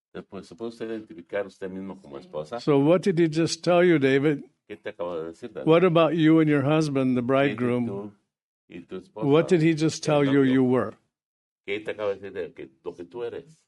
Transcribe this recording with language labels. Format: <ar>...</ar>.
<es>Pues, ¿se puede identificar usted mismo como esposa?</es> <en>So what did he just tell you, David?</en> <es>¿Qué te acabo de decir, David?</es> <en>What about you and your husband, the bridegroom?</en> <es>¿Y tu esposa?</es> <en>What did he just tell you you were?</en> <es>¿Qué te acabo de decir de lo que tú eres?</es>